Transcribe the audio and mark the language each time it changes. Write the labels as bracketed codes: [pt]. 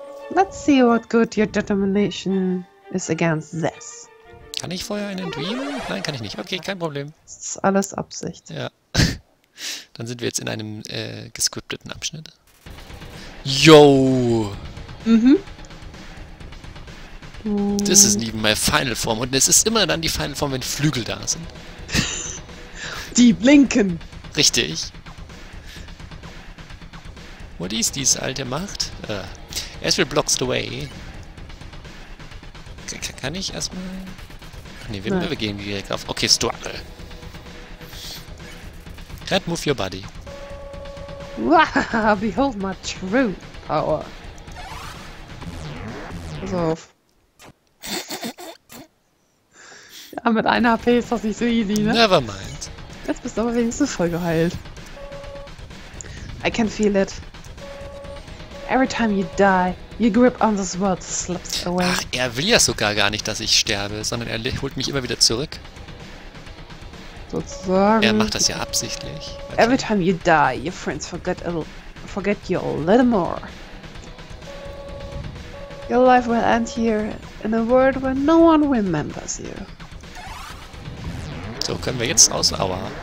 [en] Let's see what good your determination is against this. [de] Kann ich vorher einen Dream? Nein, kann ich nicht. Okay, kein Problem. Das ist alles Absicht. Ja. Dann sind wir jetzt in einem gescripteten Abschnitt. Yo! Das ist nicht mal Final Form. Und es ist immer dann die Final Form, wenn Flügel da sind. Die blinken! Richtig. [en] What is this, [de] alte Macht? [en] Ezreal blocks the way. [de] Kann ich erstmal. Ach nee, wir gehen direkt auf. Okay, Struggle. [en] Red, move your body. Behold my true power. [de] Pass auf. Ja, mit einer HP ist das nicht so easy, ne? [en] Never mind. [de] Jetzt bist du aber wenigstens voll geheilt. [en] I can feel it. Every time you die, your grip on this world slips away. [de] Ach, er will ja sogar gar nicht, dass ich sterbe, sondern er holt mich immer wieder zurück. Sozusagen. Er macht das ja absichtlich. Okay. [en] Every time you die, your friends forget you a little more. Your life will end here in a world where no one remembers you. [de] So, können wir jetzt aus? Aua.